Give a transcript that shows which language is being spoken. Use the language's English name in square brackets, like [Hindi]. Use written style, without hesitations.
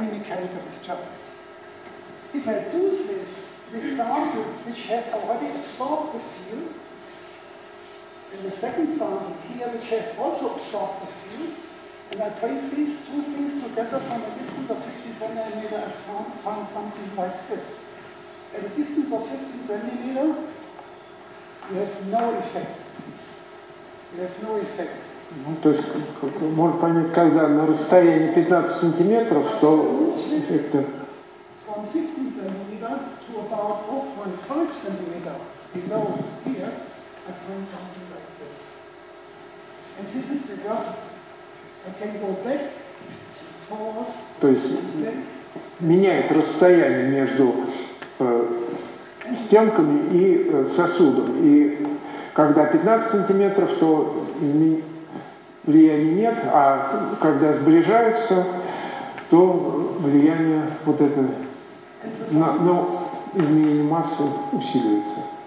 [English] If I do this with samples which have already absorbed the field, and the second sample here which has also absorbed the field, and I place these two things together from a distance of 50 centimeter, I find something like this. At a distance of 50 centimeter, you have no effect. You have no effect. [Russian] Ну, то есть, можно понять, когда на расстоянии 15 сантиметров, то эффекта... [English] From 15 centimeter to about 0.5 centimeter below here, I find something like this. And this is because I can go back, forth... [Russian] То есть, меняет расстояние между стенками и сосудом. И когда 15 сантиметров, то... Влияния нет, а когда сближаются, то влияние вот это на изменение массы усиливается.